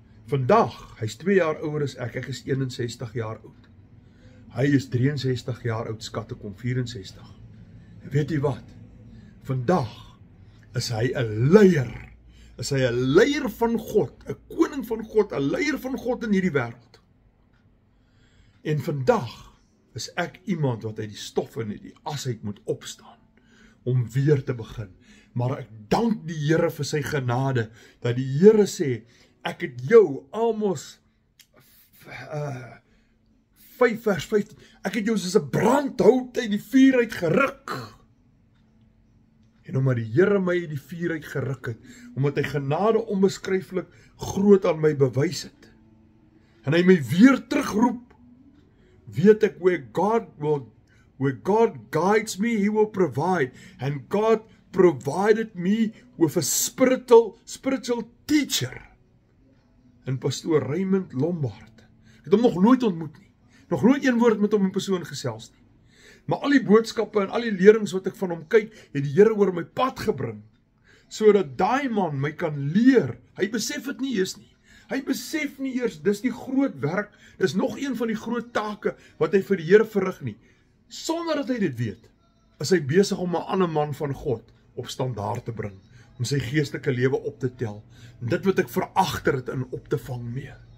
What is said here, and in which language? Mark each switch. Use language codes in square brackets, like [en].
[af] Vandag, hy's 2 jaar ouer as ek. Ek is 61 jaar oud. Hy is 63 jaar oud, skatte kom 64. Weet jy wat? Vandag is hy 'n leier. Is hy 'n leier van God, 'n koning van God, 'n leier van God in hierdie wêreld. En vandag is ek iemand wat uit die stof en uit die as uit moet opstaan om weer te begin. Maar ek dank die Here vir sy genade, dat die Here sê, ek het jou almos 5 vers 15, ek het jou soos 'n brandhout uit die vuur uit geruk. En omdat die Here my uit die vuur uit geruk het, omdat hy genade onbeskryflik groot aan my bewys het, en hy my weer terugroep, weet ek [en] where God guides me, he will provide. And God provided me with a spiritual teacher. [af] En pastoor Raymond Lombard. Ek het hom nog nooit ontmoet nie. Nog nooit een woord met hom in persoon gesels nie. Maar al die boodskappe en al die leerings wat ek van hom kyk, het die Here oor my pad gebring. Sodat daai man my kan leer. Hy besef dit nie eens nie. Hy besef nie eers, dis die groot werk. Dis nog een van die groot take wat hy vir die Here verrig nie. Sonder dat hy dit weet, is hy besig om 'n ander man van God op standaard te bring, om sy geestelike lewe op te tel, en dit wat ek veragter het in op te vang mee.